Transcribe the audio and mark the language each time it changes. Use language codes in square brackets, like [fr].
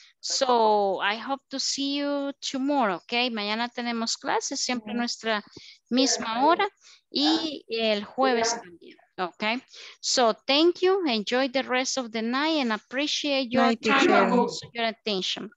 [en] So I hope to see you tomorrow, okay? [es] Mañana tenemos clases, siempre nuestra misma hora, y el jueves también, okay? [en] So thank you, enjoy the rest of the night and appreciate your night time teacher. And also your attention.